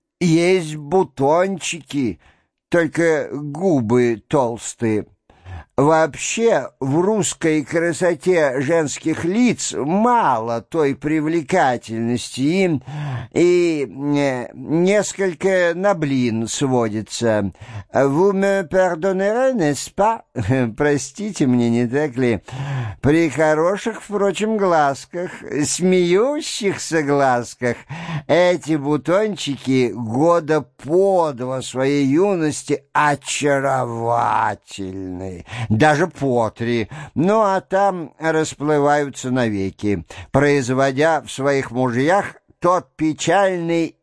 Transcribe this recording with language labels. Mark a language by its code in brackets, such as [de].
[ru] Есть бутончики, только губы толстые. Вообще, в русской красоте женских лиц мало той привлекательности, и несколько на блин сводится. [fr] «Vous me pardonnerez, n'est-ce pas?» [ru] «Простите мне, не так ли?» «При хороших, впрочем, глазках, смеющихся глазках, эти бутончики года по два своей юности очаровательны». Даже по три, ну а там расплываются навеки, производя в своих мужьях тот печальный